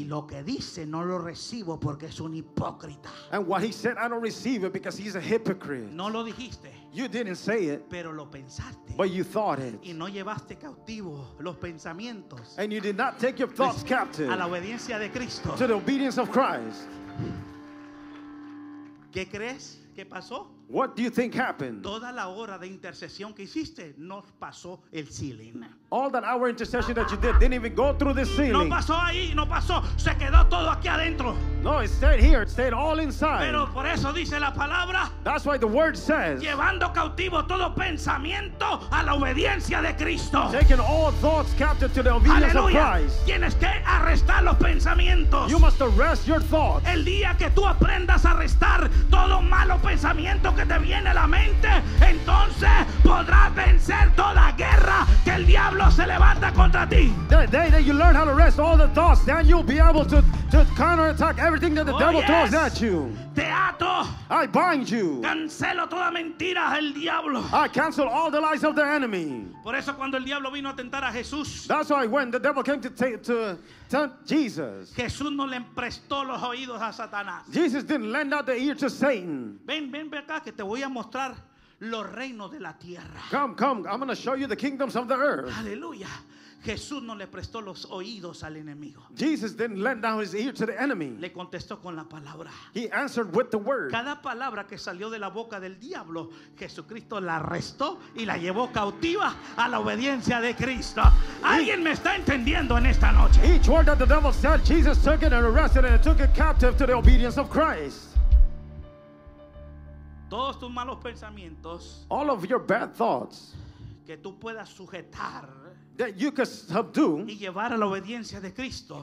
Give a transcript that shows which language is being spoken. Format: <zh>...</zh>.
<es>Y lo que dice, no lo recibo porque es un hipócrita.</es> <en>And what he said, I don't receive it because he's a hypocrite.</en> <es>No lo dijiste.</es> <en>You didn't say it.</en> <es>Pero lo pensaste.</es> <en>But you thought it.</en> <es>Y no llevaste cautivo los pensamientos.</es> <en>And you did not take your thoughts captive.</en> <es>A la obediencia de Cristo.</es> <en>To the obedience of Christ.</en> <es>¿Qué crees que pasó?</es> <en>What do you think happened?</en> <es>Toda la hora de intercesión que hiciste no pasó el ceiling.</es> <en>All that hour intercession that you did didn't even go through the ceiling.</en> <es>No pasó ahí, no pasó. Se quedó todo aquí adentro.</es> <en>No, it stayed here. It stayed all inside.</en> <es>Pero por eso dice la palabra.</es> <en>That's why the word says.</en> <es>Llevando cautivo todo pensamiento a la obediencia de Cristo.</es> <en>Taking all thoughts captive to the obedience</en> <es>Aleluya.</es> <en>Of Christ.</en> <es>Tienes que arrestar los pensamientos.</es> <en>You must arrest your thoughts.</en> <es>El día que tú aprendas a arrestar todo malo pensamiento que te viene a la mente, entonces podrás vencer toda guerra que el diablo se levanta contra ti.</es> <en>The day that you learn how to rest all the thoughts, then you'll be able to counterattack everything that the devil throws at you.</en> <es>Te ato.</es> <en>I bind you.</en> <es>Cancelo toda mentira del diablo.</es> <en>I cancel all the lies of the enemy.</en> <es>Por eso cuando el diablo vino a tentar a Jesús.</es> <en>That's why when the devil came to tempt Jesus.</en> <es>Jesús no le prestó los oídos a Satanás.</es> <en>Jesus didn't lend out the ear to Satan.</en> <es>Ven acá que te voy a mostrar los reinos de la tierra.</es> <en>Come, I'm going to show you the kingdoms of the earth.</en> <es>Aleluya. Jesús no le prestó los oídos al enemigo.</es> <en>Jesus didn't lend down his ear to the enemy.</en> <es>Le contestó con la palabra.</es> <en>He answered with the word.</en> <es>Cada palabra que salió de la boca del diablo, Jesucristo la arrestó y la llevó cautiva a la obediencia de Cristo. ¿Alguien me está entendiendo en esta noche?</es> <en>Each word that the devil said, Jesus took it and arrested it and took it captive to the obedience of Christ.</en> <es>Todos tus malos pensamientos.</es> <en>All of your bad thoughts.</en> <es>Que tú puedas sujetar.</es> <en>That you can subdue</en> <es>y llevar a la obediencia de Cristo,</es>